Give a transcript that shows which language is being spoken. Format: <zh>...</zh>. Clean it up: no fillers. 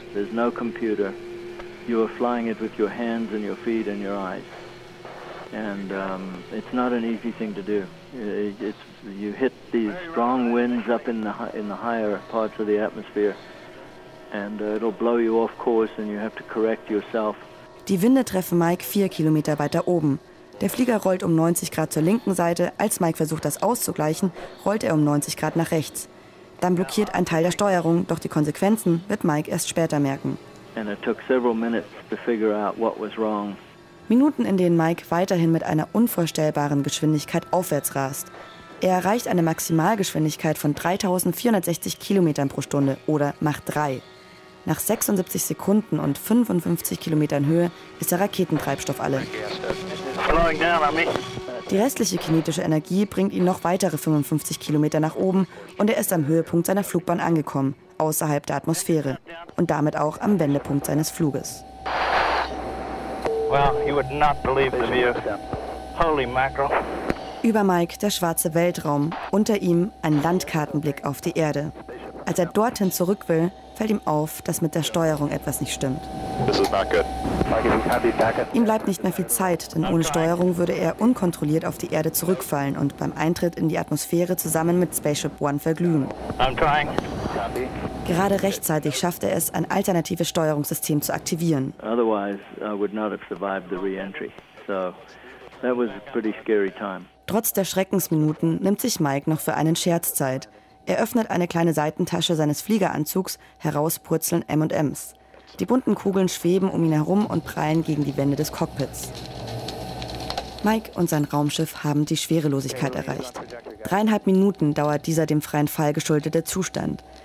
<en>There's no computer. You're flying it with your hands and your feet and your eyes. And it's not an easy thing to do. It's, you hit these strong winds up in the higher parts of the atmosphere, and it'll blow you off course, and you have to correct yourself.</en> <de>Die Winde treffen Mike 4 Kilometer weiter oben. Der Flieger rollt um 90 Grad zur linken Seite. Als Mike versucht, das auszugleichen, rollt er um 90 Grad nach rechts. Dann blockiert ein Teil der Steuerung, doch die Konsequenzen wird Mike erst später merken.</de> <en>And it took several minutes to figure out what was wrong.</en> <de>Minuten, in denen Mike weiterhin mit einer unvorstellbaren Geschwindigkeit aufwärts rast. Er erreicht eine Maximalgeschwindigkeit von 3460 Kilometern pro Stunde oder Mach 3. Nach 76 Sekunden und 55 Kilometern Höhe ist der Raketentreibstoff alle. Die restliche kinetische Energie bringt ihn noch weitere 55 Kilometer nach oben und er ist am Höhepunkt seiner Flugbahn angekommen, außerhalb der Atmosphäre und damit auch am Wendepunkt seines Fluges.</de> <en>Well, you would not believe the view. Holy mackerel.</en> <de>Über Mike der schwarze Weltraum, unter ihm ein Landkartenblick auf die Erde. Als er dorthin zurück will, fällt ihm auf, dass mit der Steuerung etwas nicht stimmt.</de> <en>This is not good.</en> <de>Ihm bleibt nicht mehr viel Zeit, denn ohne Steuerung würde er unkontrolliert auf die Erde zurückfallen und beim Eintritt in die Atmosphäre zusammen mit Spaceship One verglühen.</de> <en>I'm trying.</en> <de>Gerade rechtzeitig schafft er es, ein alternatives Steuerungssystem zu aktivieren.</de> <en>Otherwise, I would not have survived the re-entry. So, that was a pretty scary time.</en> <de>Trotz der Schreckensminuten nimmt sich Mike noch für einen Scherz Zeit. Er öffnet eine kleine Seitentasche seines Fliegeranzugs, heraus purzeln M&Ms. Die bunten Kugeln schweben um ihn herum und prallen gegen die Wände des Cockpits. Mike und sein Raumschiff haben die Schwerelosigkeit erreicht. 3,5 Minuten dauert dieser dem freien Fall geschuldete Zustand.</de>